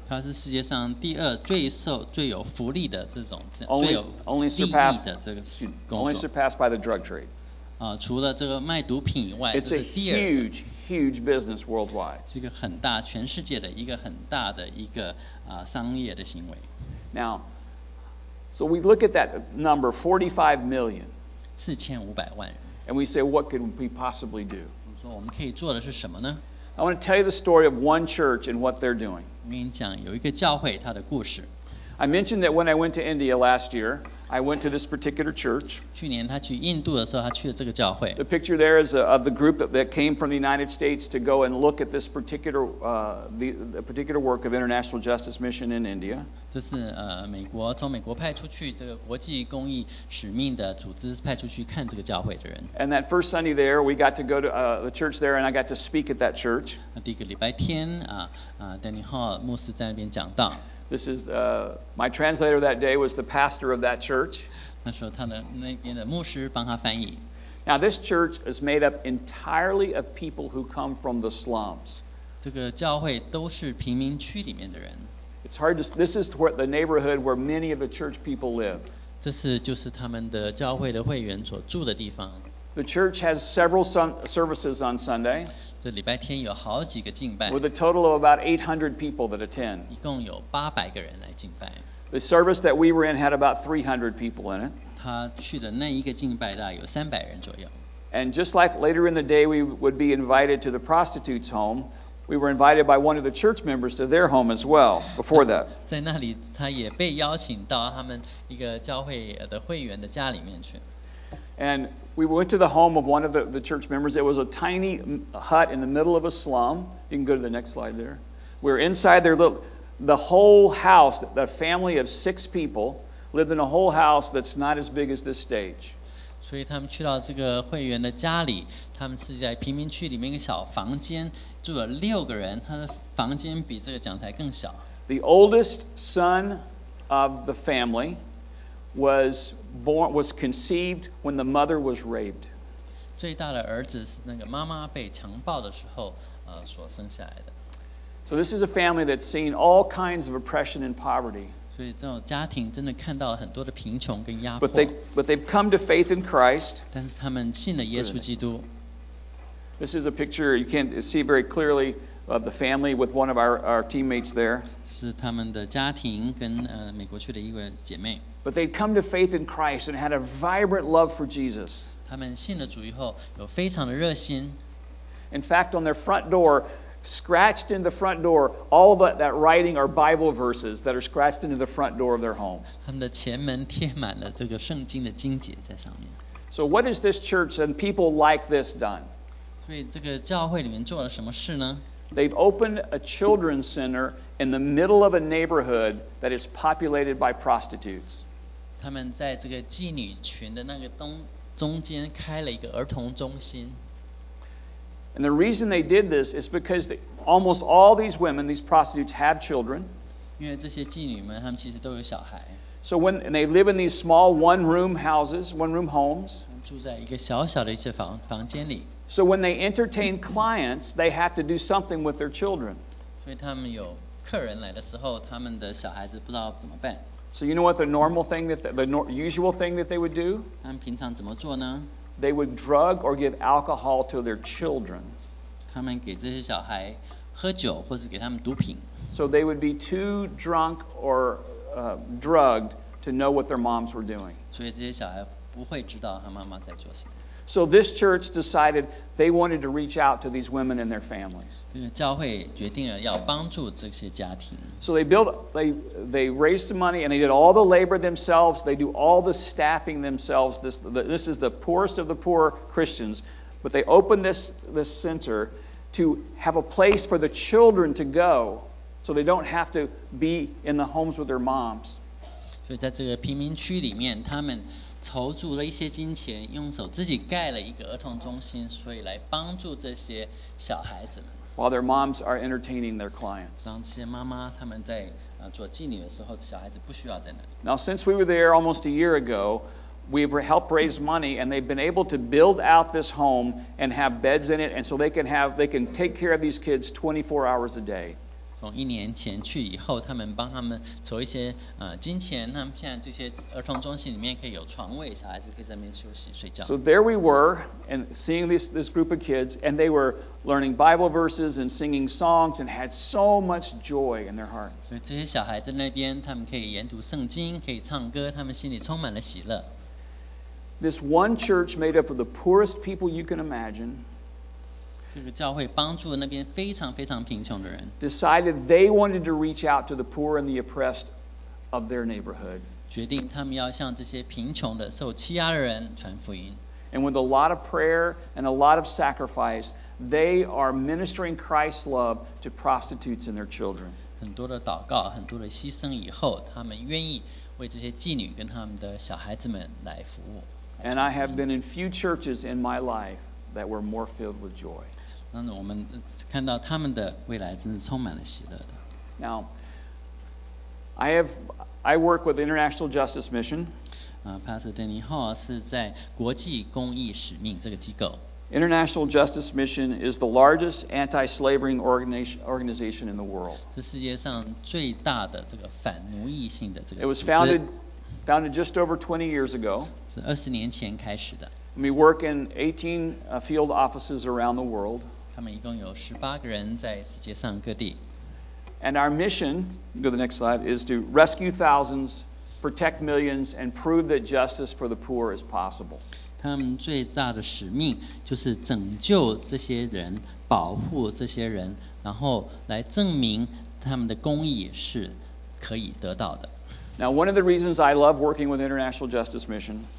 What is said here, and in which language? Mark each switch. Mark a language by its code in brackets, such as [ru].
[zh] 它是世界上第二最有福利的这种最有利益的这个工作。 [en] Only surpassed by the drug trade. [zh] 除了这个卖毒品以外，这是第二。 [en] It's a huge, huge business worldwide. [zh] 是一个很大全世界的一个很大的一个。商业的行为。 [en] Now, so we look at that number, 45 million. [zh] 4500万人。 [en] And we say, what could we possibly do? [zh] 我说我们可以做的是什么呢？ [en] I want to tell you the story of one church and what they're doing. [zh] 我跟你讲，有一个教会，它的故事。 [en] I mentioned that when I went to India last year, I went to this particular church. [zh] 去年他去印度的时候，他去了这个教会。 [en] The picture there is of the group that came from the United States to go and look at this particular, the particular work of International Justice Mission in India. [zh] 这是美国从美国派出去这个国际公益使命的组织派出去看这个教会的人。 [en] And that first Sunday there, we got to go to the church there, and I got to speak at that church. [zh] 第一个礼拜天Danny Hall 牧师在那边讲道。 [en] This is my translator that day was the pastor of that church. [zh] 那时候他的那边的牧师帮他翻译。 [en] Now this church is made up entirely of people who come from the slums. [zh] 这个教会都是贫民区里面的人。 [en] It's hard to. This is what the neighborhood where many of the church people live. [zh] 这是就是他们的教会的会员所住的地方。 [en] The church has several services on Sunday. [zh] 这礼拜天有好几个敬拜。 [en] With a total of about 800 people that attend. [zh] 一共有八百个人来敬拜。 [en] The service that we were in had about 300 people in it. [zh] 他去的那一个敬拜大概有三百人左右。 [en] And just like later in the day, we would be invited to the prostitute's home. We were invited by one of the church members to their home as well. Before that, [zh] 在那里他也被邀请到他们一个教会的会员的家里面去。 [en] And we went to the home of one of the church members. It was a tiny hut in the middle of a slum. You can go to the next slide there. We're inside their little, the whole house, the family of six people lived in a whole house that's not as big as this stage. [zh] 所以他们去到这个会员的家里，他们是在贫民区里面一个小房间，住了六个人，他的房间比这个讲台更小。 [en] The oldest son of the family was born, was conceived when the mother was raped. [zh] 最大的儿子是那个妈妈被强暴的时候，所生下来的。 [en] So this is a family that's seen all kinds of oppression and poverty. [zh] 所以这种家庭真的看到了很多的贫穷跟压迫。 [en] But they've come to faith in Christ. [zh] 但是他们信了耶稣基督。 [en] This is a picture you can't see very clearly of the family with one of our teammates there. [zh] 是他们的家庭跟美国去的一个姐妹。 [en] But they'd come to faith in Christ and had a vibrant love for Jesus. [zh] 他们信了主以后有非常的热心。 [en] In fact, on their front door, scratched in the front door, all of that writing are Bible verses that are scratched into the front door of their home. [zh] 他们的前门贴满了这个圣经的经节在上面。 [en] So what is this church and people like this done? [zh] 所以这个教会里面做了什么事呢？ [en] They've opened a children's center in the middle of a neighborhood that is populated by prostitutes. [zh] 他们在这个妓女群的那个中间开了一个儿童中心。 [en] And the reason they did this is because almost all these women, these prostitutes, have children. [zh] 因为这些妓女们，她们其实都有小孩。 [en] So when and they live in these small one-room houses, one-room homes. [zh] 住在一个小小的一些房间里。 [en] So when they entertain clients, they have to do something with their children. [zh] 所以他们有客人来的时候，他们的小孩子不知道怎么办。 [en] So you know what the normal thing that the usual thing that they would do? [zh] 他们平常怎么做呢？ [en] They would drug or give alcohol to their children. [zh] 他们给这些小孩喝酒或是给他们毒品。 [en] So they would be too drunk or drugged to know what their moms were doing. [zh] 所以这些小孩不会知道他妈妈在做什么。 [en] So this church decided they wanted to reach out to these women and their families. [zh] 教会决定了要帮助这些家庭。 [en] So they built, they raised some money and they did all the labor themselves. They do all the staffing themselves. This is the poorest of the poor Christians. But they opened this center to have a place for the children to go so they don't have to be in the homes with their moms. [zh] 所以在这个贫民区里面，他们筹足了一些金钱，用手自己盖了一个儿童中心，所以来帮助这些小孩子们。 [en] While their moms are entertaining their clients. [zh] 当这些妈妈他们在做妓女的时候，小孩子不需要在那里。 [en] Now since we were there almost a year ago, we've helped raise money and they've been able to build out this home and have beds in it, and so they can take care of these kids 24 hours a day. [zh] 从一年前去以后，他们帮他们筹一些金钱，他们现在这些儿童中心里面可以有床位，小孩子可以在那边休息睡觉。 [en] So there we were, and seeing this group of kids, and they were learning Bible verses and singing songs, and had so much joy in their heart. [zh] 所以这些小孩子那边，他们可以研读圣经，可以唱歌，他们心里充满了喜乐。 [en] This one church made up of the poorest people you can imagine. [zh] 这个教会帮助那边非常非常贫穷的人。 [en] Decided they wanted to reach out to the poor and the oppressed of their neighborhood. [zh] 决定他们要向这些贫穷的、受欺压的人传福音。 [en] And with a lot of prayer and a lot of sacrifice, they are ministering Christ's love to prostitutes and their children. [zh] 很多的祷告、很多的牺牲以后，他们愿意为这些妓女跟他们的小孩子们来服务。 [en] And I have been in few churches in my life that were more filled with joy. [zh] 那我们看到他们的未来真是充满了喜乐的。 [en] Now, I work with the International Justice Mission. [zh] Pastor Danny Hall 是在国际公益使命这个机构。 [en] International Justice Mission is the largest anti-slavery organization in the world. [zh] 是世界上最大的这个反奴役性的这个。 [en] It was founded just over 20 years ago. [zh] 是二十年前开始的。 [en] We work in 18 field offices around the world. [zh] 他们一共有十八个人在世界上各地。 [en] And our mission, go to the next slide, is to rescue thousands, protect millions, and prove that justice for the poor is possible. [zh] 他们最大的使命就是拯救这些人，保护这些人，然后来证明他们的公义是可以得到的。 [en] Now, one of the reasons I love working with International Justice Mission.